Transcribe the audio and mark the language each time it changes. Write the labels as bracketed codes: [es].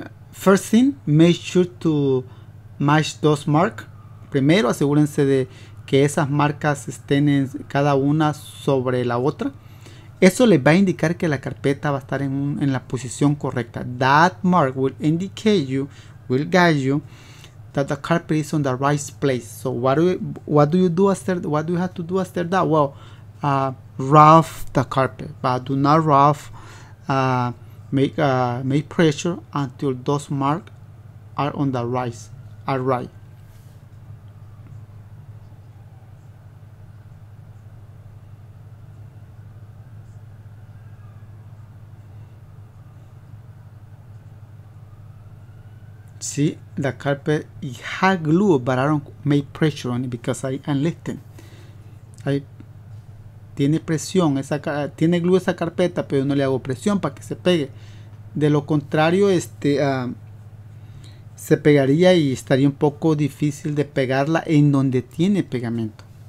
[en] First thing, make sure to match those marks. [es] Primero, asegúrense de que esas marcas estén en cada una sobre la otra. Eso les va a indicar que la carpeta va a estar en la posición correcta. [en] That mark will indicate you, will guide you, that the carpet is on the right place. So what do you have to do after that? Well, rough the carpet, but do not rough, make pressure until those marks are on the right. See, the carpet had glue, but I don't make pressure on it because I am lifting. [es] Tiene presión, tiene glue esa carpeta, pero no le hago presión para que se pegue. De lo contrario, se pegaría y estaría un poco difícil de pegarla en donde tiene pegamento.